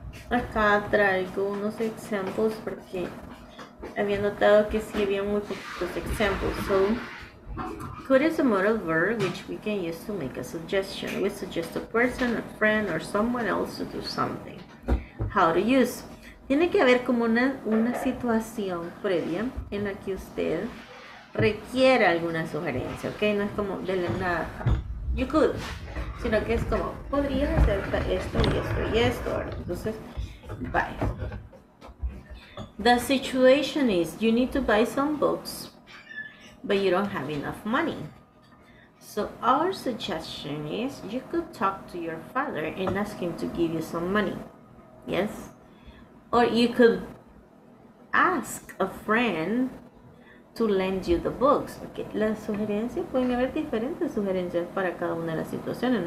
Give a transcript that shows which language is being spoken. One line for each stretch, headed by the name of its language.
Spanish: Acá traigo unos examples porque había notado que sí había muy poquitos examples.
English: So, could is a modal verb which we can use to make a suggestion. We suggest a person, a friend, or someone else to do something. How to use?
Spanish: Tiene que haber como una situación previa en la que usted requiere alguna sugerencia, ¿ok? No es como de la nada,
English: you could,
Spanish: sino que es como, podría hacer esto y esto y esto, ¿verdad? Entonces, bye.
English: The situation is, you need to buy some books, but you don't have enough money. So, our suggestion is, you could talk to your father and ask him to give you some money, ¿yes? Or you could ask a friend to lend you the books. Okay.
Spanish: Las sugerencias, pueden haber diferentes sugerencias para cada una de las situaciones.